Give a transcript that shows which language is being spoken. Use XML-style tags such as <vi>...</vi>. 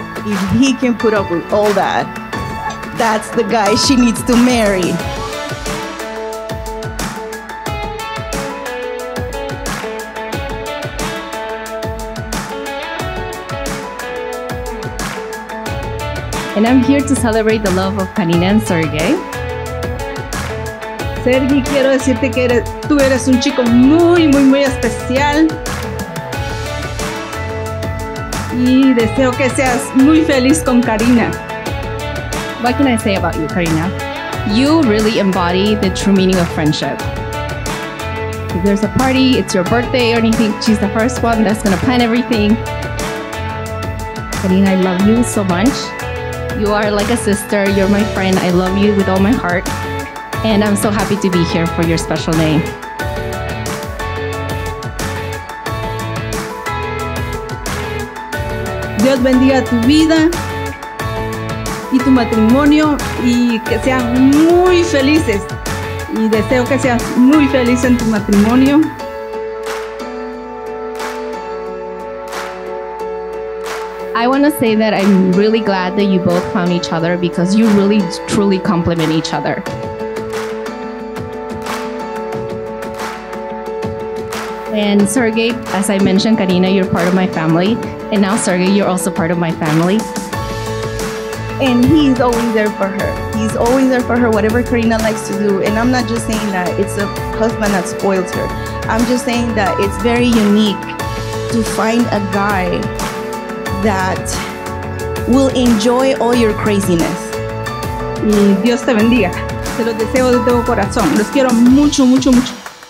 <en>If he can put up with all that, that's the guy she needs to marry. And I'm here to celebrate the love of Karina and Sergey.</en> <es>Sergey, quiero decirte que tú eres un chico muy, muy, muy especial. Y deseo que seas muy feliz con Karina.</es> <en>What can I say about you, Karina? You really embody the true meaning of friendship. If there's a party, it's your birthday or anything, she's the first one that's gonna plan everything. Karina, I love you so much. You are like a sister, you're my friend. I love you with all my heart. And I'm so happy to be here for your special day.</en> <es>Dios bendiga tu vida y tu matrimonio y que sean muy felices. Y deseo que seas muy feliz en tu matrimonio.</es> <en>I want to say that I'm really glad that you both found each other because you really truly complement each other. And Sergey, as I mentioned, Karina, you're part of my family. And now Sergey, you're also part of my family. And he's always there for her. He's always there for her, whatever Karina likes to do. And I'm not just saying that it's a husband that spoils her. I'm just saying that it's very unique to find a guy that will enjoy all your craziness.</en> <es>Y Dios te bendiga. Te los deseo de todo corazón. Los quiero mucho, mucho, mucho.</es>